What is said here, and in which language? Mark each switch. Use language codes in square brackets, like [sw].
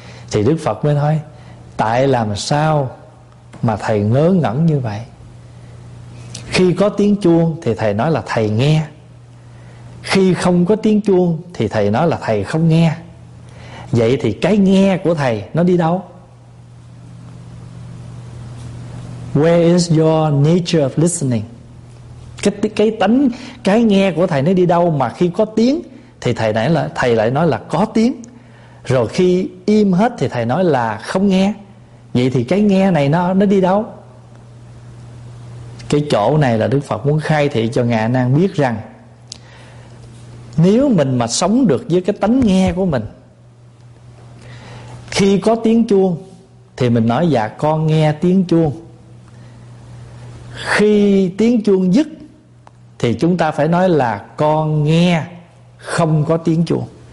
[vi] Thì Đức Phật mới nói, tại làm sao mà thầy ngớ ngẩn như vậy? Khi có tiếng chuông thì thầy nói là thầy nghe, khi không có tiếng chuông thì thầy nói là thầy không nghe. Vậy thì cái nghe của thầy nó đi đâu? [en] Where is your nature of listening? [vi] Cái tánh, cái nghe của thầy nó đi đâu mà khi có tiếng thì thầy lại nói là có tiếng, rồi khi im hết thì thầy nói là không nghe. Vậy thì cái nghe này nó đi đâu? Cái chỗ này là Đức Phật muốn khai thị cho Ngài A Nan biết rằng, nếu mình mà sống được với cái tánh nghe của mình, khi có tiếng chuông thì mình nói dạ con nghe tiếng chuông, khi tiếng chuông dứt thì chúng ta phải nói là con nghe không có tiếng chuông.